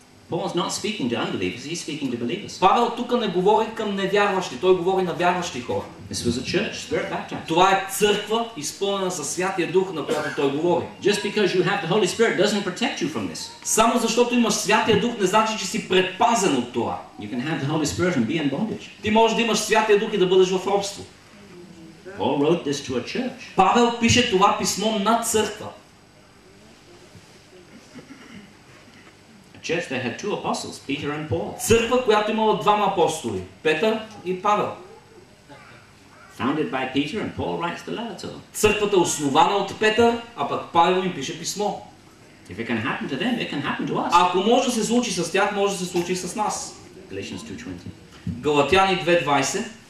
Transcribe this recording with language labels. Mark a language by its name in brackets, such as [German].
[English] Paul is not speaking to unbelievers, he's speaking to believers. [Bulgarian] Павел тук не говори към невярващи, той говори на вярващи хора. [English] This was a church, spirit baptized. [Bulgarian] Това е църква, изпълнена със Святия Дух, на която той говори. [English] Just because you have the Holy Spirit doesn't protect you from this. [Bulgarian] Само защото имаш Святия Дух, не значи, че си предпазен от това. [English] You can have the Holy Spirit and be in bondage. [Bulgarian] Ти можеш да имаш Святия Дух и да бъдеш в робство. [English] Paul wrote this to a church. [Bulgarian] Павел пише това писмо на църква. [English] Church that had two apostles, Peter and Paul. [Bulgarian] Църква, която имала двама апостоли, Петър и Павел. [English] Founded by Peter and Paul writes the letter to them. [Bulgarian] Църквата е основана от Петър, а пък Павел им пише писмо. [English] If it can happen to them, it can happen to us. [Bulgarian] Ако може да се случи с тях, може да се случи с нас. [English] Galatians 2:20. [Bulgarian] Галатяни 2:20.